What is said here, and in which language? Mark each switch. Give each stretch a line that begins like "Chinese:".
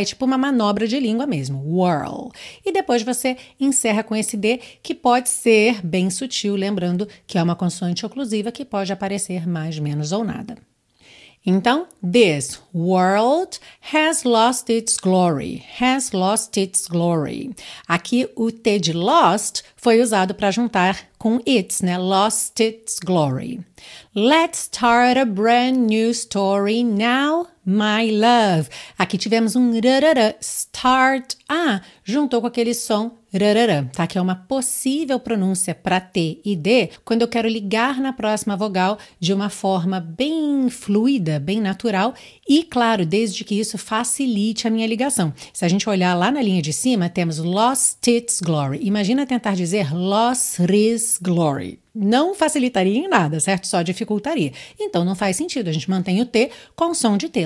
Portuguese: É tipo uma manobra de língua mesmo. Whirl. E depois você encerra com esse D, que pode ser bem sutil, lembrando que é uma consoante oclusiva que pode aparecer mais, menos ou nada.
English: Então, this world has lost its glory. Has lost its glory.
Portuguese: Aqui, o T de lost foi usado para juntar com its, né?
English: Lost its glory. Let's start a brand new story now, my love.
Portuguese: Aqui tivemos um rarara, start. Ah, juntou com aquele som rarara, tá? Que é uma possível pronúncia para T e D quando eu quero ligar na próxima vogal de uma forma bem fluida, bem natural. E, claro, desde que isso facilite a minha ligação. Se a gente olhar lá na linha de cima, temos
English: lost its glory.
Portuguese: Imagina tentar dizer
English: lost its glory.
Portuguese: Não facilitaria em nada, certo? Só dificultaria. Então, não faz sentido. A gente mantém o T com o som de T.